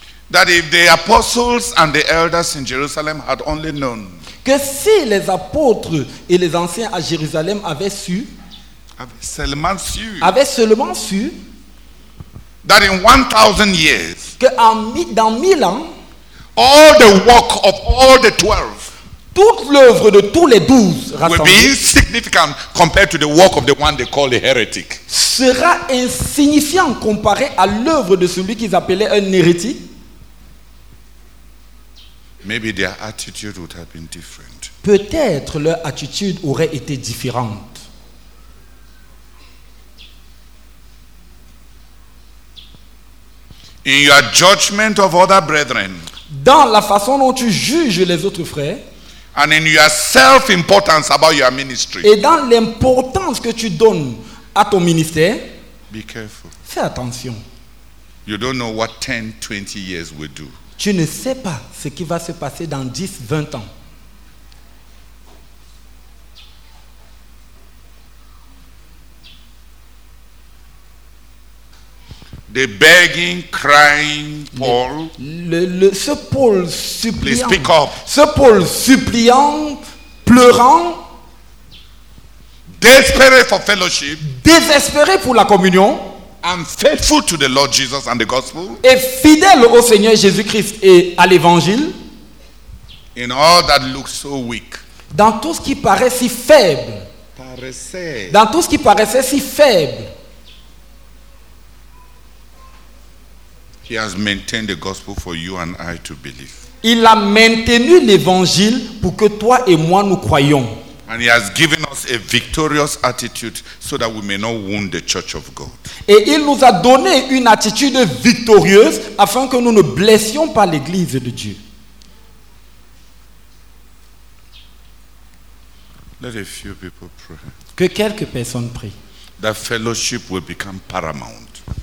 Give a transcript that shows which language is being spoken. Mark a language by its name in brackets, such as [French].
[English] That if the apostles and the elders in Jerusalem had only known, [French] que si les apôtres et les anciens à Jérusalem avaient su, avaient seulement su, [English] that in 1,000 years, [French] que dans 1,000 ans, [English] all the work of all the 12, [French] toute l'œuvre de tous les 12 rassemblés, [English] will be insignificant compared to the work of the one they call a heretic, [French] sera insignifiant comparé à l'œuvre de celui qu'ils appelaient un hérétique. [English] Maybe their attitude would have been different. [French] Peut-être leur attitude aurait été différente. [English] In your judgment of other brethren. [French] Dans la façon dont tu juges les autres frères. [English] And in your self-importance about your ministry. [French] Et dans l'importance que tu donnes à ton ministère. [English] Be careful. [French] Fais attention. [English] You don't know what 10, 20 years will do. [French] Tu ne sais pas ce qui va se passer dans 10, 20 ans. [English] The begging, crying Paul. [French] Ce Paul suppliant. [English] Please speak up. [French] Ce Paul suppliant, pleurant. [English] Désespéré for fellowship. [French] Désespéré pour la communion. [English] And faithful to the Lord Jesus and the gospel. [French] Et fidèle au Seigneur Jésus-Christ et à l'évangile. [English] In all that looks so weak. [French] Dans tout ce qui paraît si faible. Paraissait. Dans tout ce qui paraissait si faible. [English] He has maintained the gospel for you and I to believe. [French] Il a maintenu l'évangile pour que toi et moi nous croyions. [English] And he has given us a victorious attitude so that we may not wound the church of God. [French] Et il nous a donné une attitude victorieuse afin que nous ne blessions pas l'église de Dieu. [English] Let a few people pray. [French] Que quelques personnes prient. [English] That fellowship will become paramount.